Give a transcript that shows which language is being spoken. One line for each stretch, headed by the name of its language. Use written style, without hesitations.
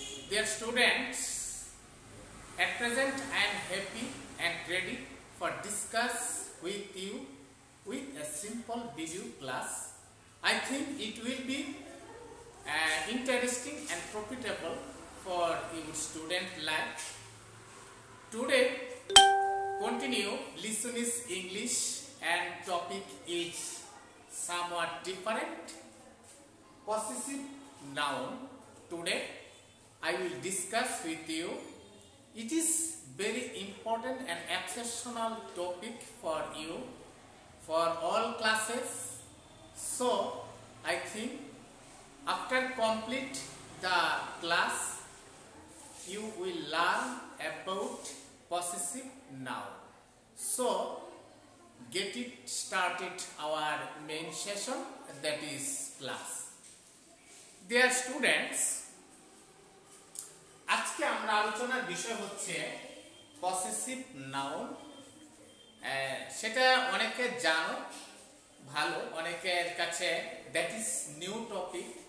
English: Dear students, at present I am happy and ready for discuss with you with a simple video class. I think it will be interesting and profitable for your student life. Today, continue listening English and topic is somewhat different. Possessive noun. Today, I will discuss with you. It is very important and exceptional topic for you, for all classes. So, I think after complete the class, you will learn about possessive noun. So, get it started our main session, that is class. Dear students,
Bangla: আজকে আমরা আলোচনার বিষয় হচ্ছে possessive noun। সেটা অনেকে জানো, ভালো, অনেকের কাছে
English: that is new topic।